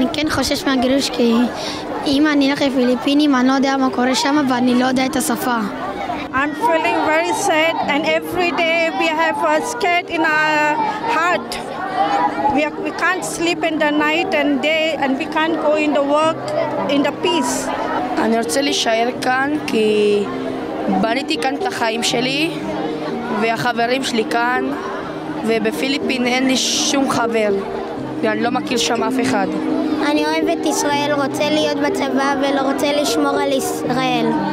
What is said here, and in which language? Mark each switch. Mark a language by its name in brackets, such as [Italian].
[Hebrew] חושש מהגירוש, כי אם אני אלך לפיליפינים אני לא יודע מה קורה שם ואני לא יודע את השפה. [English] I'm feeling very sad and every day we have a scared in our heart. We can't sleep in the night and day and we can't go in the work in the peace. [Hebrew] אני רוצה להישאר כאן כי בניתי כאן את החיים שלי והחברים שלי כאן, ובפיליפין אין לי שום חבר ואני לא מכיר שם אף אחד. אני אוהב את ישראל, רוצה להיות בצבא ולא רוצה לשמור על ישראל.